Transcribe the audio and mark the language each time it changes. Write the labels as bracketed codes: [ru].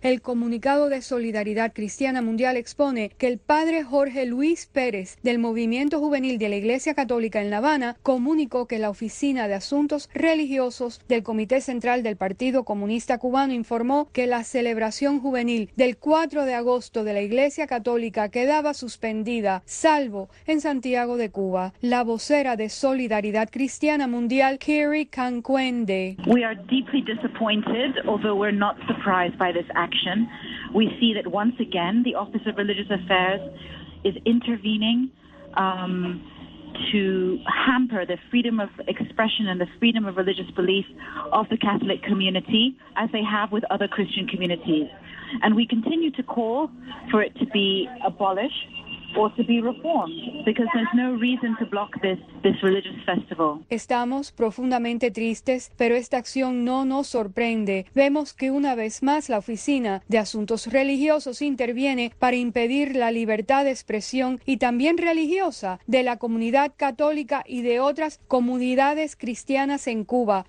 [es] El comunicado de Solidaridad Cristiana Mundial expone que el padre Jorge Luis Pérez, del movimiento juvenil de la Iglesia Católica en La Habana, comunicó que la Oficina de Asuntos Religiosos del Comité Central del Partido Comunista Cubano informó que la celebración juvenil del 4 de agosto de la Iglesia Católica quedaba suspendida, salvo en Santiago de Cuba. La vocera de Solidaridad Cristiana Mundial, Kiri Cancuende. [en] We are deeply disappointed, although we're not surprised by this action. We see that once again the Office of Religious Affairs is intervening to hamper the freedom of expression and the freedom of religious belief of the Catholic community, as they have with other Christian communities. And we continue to call for it to be abolished or to be reformed, because there's no reason to block this religious festival. [es] Estamos profundamente tristes, pero esta acción no nos sorprende. Vemos que una vez más la Oficina de Asuntos Religiosos interviene para impedir la libertad de expresión y también religiosa de la comunidad católica y de otras comunidades cristianas en Cuba.